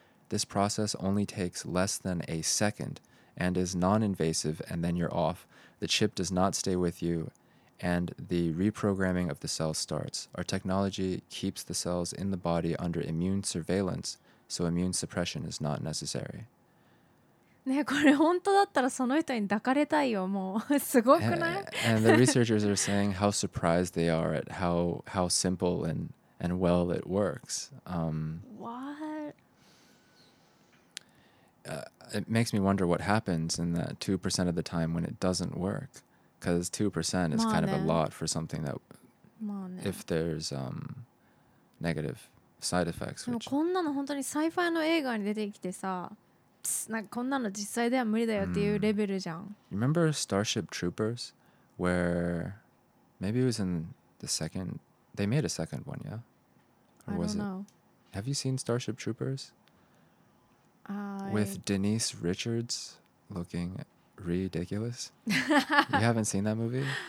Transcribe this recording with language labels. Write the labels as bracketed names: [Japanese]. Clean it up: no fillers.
[English] This process only takes less than a second and is non-invasive, and then you're off. The chip does not stay with you. And the reprogramming of the cell starts. Our technology keeps the cells in the body under immune surveillance, so immune suppression is not necessary. [Japanese] ね、これ本当だったらその人に抱かれたいよ、もう。すごくない? [English] And the researchers are saying how surprised they are at how simple and well it works. What? It makes me wonder what happens in that 2% of the time when it doesn't work. Because 2% is kind of a lot for something that, if there's negative side effects. [Japanese] でもこんなの本当にサイファイの映画に出てきてさ、なんかこんなの実際では無理だよっていうレベルじゃん。 [English] Remember Starship Troopers? Where maybe it was in the second, they made a second one, yeah? Or was I don't know. It? Have you seen Starship Troopers? With Denise Richards looking... Ridiculous. You haven't seen that movie?